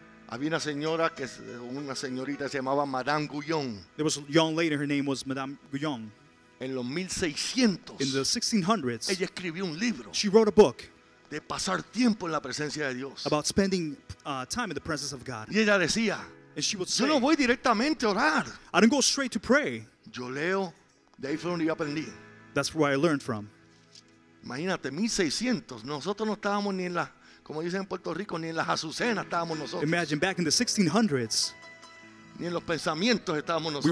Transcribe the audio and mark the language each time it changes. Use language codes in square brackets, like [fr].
[es] Había una señora que una señorita se llamaba Madame Guyon. [en] There was a young lady, her name was Madame Guyon. [es] En los 1600, [en] in the 1600s, [es] ella escribió un libro. [en] She wrote a book. [es] De pasar tiempo en la presencia de Dios. [en] About spending time in the presence of God. [es] Y ella decía, [en] and she would say, [es] yo no voy directamente a orar. [en] I don't go straight to pray. [es] Yo leo, de ahí fue donde yo aprendí. [en] That's where I learned from. [es] Imagínate, 1600, nosotros no estábamos ni en la, como dicen en Puerto Rico, ni en las azucenas estábamos nosotros. [en] Imagine back in the 1600s. [es] Ni en los pensamientos estábamos nosotros.